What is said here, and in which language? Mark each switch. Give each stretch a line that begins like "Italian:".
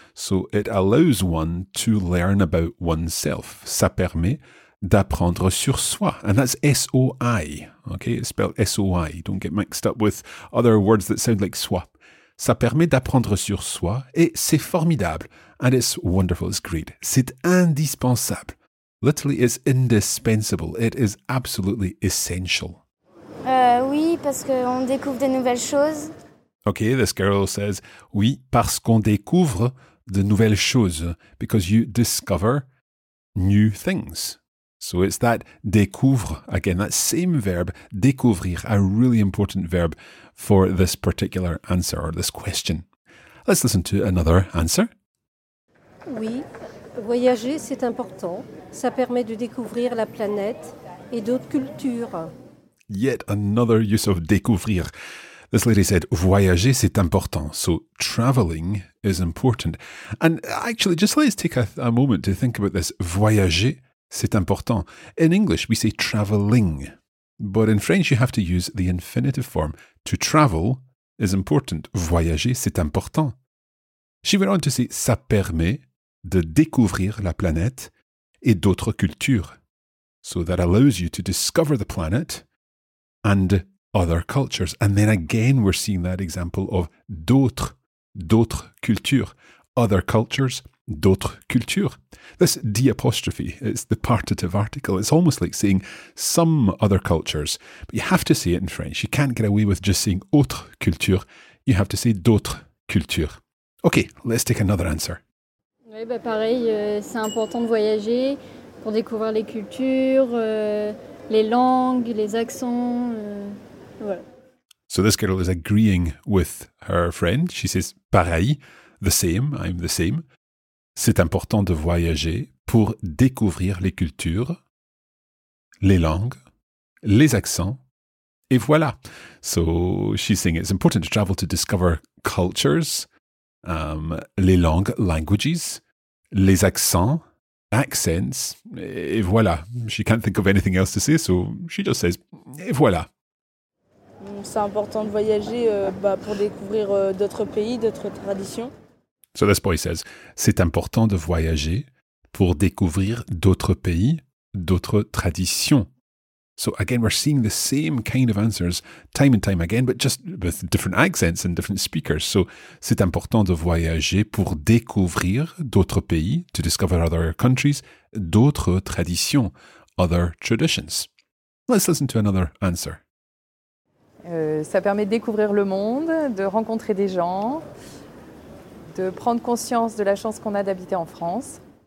English: So it allows one to learn about oneself.
French: Ça permet d'apprendre sur soi.
English: And that's S-O-I. Okay, it's spelled S-O-I. Don't get mixed up with other words that sound like soi.
French: Ça permet d'apprendre sur soi et c'est formidable.
English: And it's wonderful, it's great.
French: C'est indispensable.
English: Literally, it's indispensable. It is absolutely essential.
French: Oui, parce qu'on découvre de nouvelles choses.
English: Okay, this girl says,
French: oui, parce qu'on découvre de nouvelles choses.
English: Because you discover new things. So it's that découvre, again, that same verb, découvrir, a really important verb for this particular answer or this question. Let's listen to another answer.
French: Oui. Voyager, c'est important. Ça permet de découvrir la planète et d'autres cultures.
English: Yet another use of découvrir. This lady said,
French: voyager, c'est important.
English: So, traveling is important. And actually, just let's take a moment to think about this.
French: Voyager, c'est important.
English: In English, we say traveling. But in French, you have to use the infinitive form. To travel is important.
French: Voyager, c'est important.
English: She went on to say,
French: ça permet de découvrir la planète et d'autres cultures.
English: So that allows you to discover the planet and other cultures. And then again, we're seeing that example of
French: d'autres cultures.
English: Other cultures,
French: d'autres cultures.
English: This diapostrophe is the partitive article. It's almost like saying some other cultures. But you have to say it in French. You can't get away with just saying
French: autres cultures.
English: You have to say
French: d'autres cultures.
English: Okay, let's take another answer.
French: Oui, bah pareil, c'est important de voyager pour découvrir les cultures, les langues, les accents, voilà.
English: So this girl is agreeing with her friend. She says, pareil, the same, I'm the same.
French: C'est important de voyager pour découvrir les cultures, les langues, les accents Et voilà.
English: So she's saying it's important to travel to discover cultures,
French: les langues,
English: languages,
French: les accents,
English: accents. Et voilà. She can't think of anything else to say, so she just says,
French: et voilà. C'est important de voyager pour découvrir d'autres pays, d'autres traditions.
English: So this boy says,
French: c'est important de voyager pour découvrir d'autres pays, d'autres traditions.
English: So again, we're seeing the same kind of answers time and time again, but just with different accents and different speakers.
French: So c'est important de voyager pour découvrir d'autres pays,
English: to discover other countries,
French: d'autres traditions,
English: other traditions. Let's listen to another answer.
French: Ça permet de découvrir le monde, de rencontrer des gens, de prendre conscience de la chance qu'on a d'habiter en France.